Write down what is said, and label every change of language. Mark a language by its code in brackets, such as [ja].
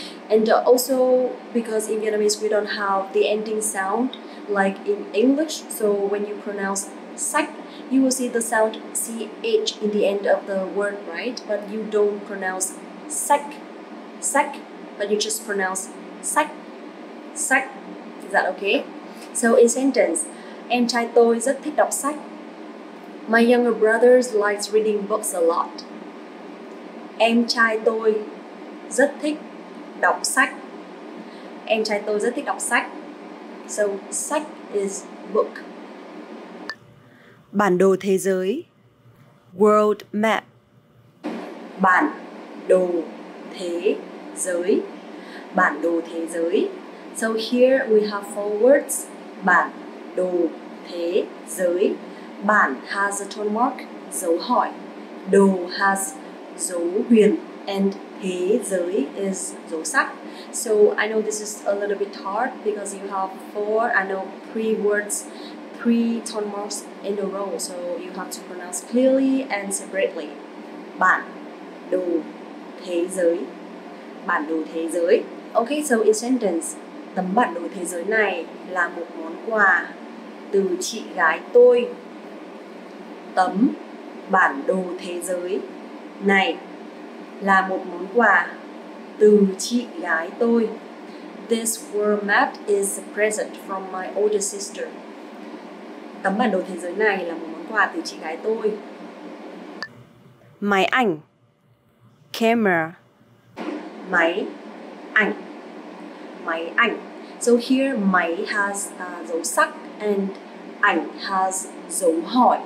[en] And also because in Vietnamese we don't have the ending sound like in English, so when you pronounce sách, you will see the sound ch in the end of the word, right? But you don't pronounce sách, sách, but you just pronounce sách, sách. Is that okay? So in sentence, [vi] em trai tôi rất thích đọc sách. [en] My younger brother likes reading books a lot. [vi] Em trai tôi rất thích đọc sách. Em trai tôi rất thích đọc sách. [en] So, sách is book. [vi] Bản đồ thế giới. [en] World map. [vi] Bản đồ thế giới. Bản đồ thế giới. [en] So here we have four words. [vi] Bản đồ thế giới. [en] Bản has a tone mark, dấu hỏi. Đồ has dấu huyền. And thế giới is dấu sắc. So I know this is a little bit hard because you have four, I know, three words, three tone marks in a row. So you have to pronounce clearly and separately. [vi] Bản đồ thế giới. Bản đồ thế giới. [en] Okay, so in sentence, [vi] tấm bản đồ thế giới này là một món quà từ chị gái tôi. Tấm bản đồ thế giới này là một món quà từ chị gái tôi. [en] This world map is a present from my older sister. [vi] Tấm bản đồ thế giới này là một món quà từ chị gái tôi. Máy ảnh. [en] Camera. [vi] Máy ảnh. Máy ảnh. [en] So here, máy has dấu sắc and ảnh has dấu hỏi.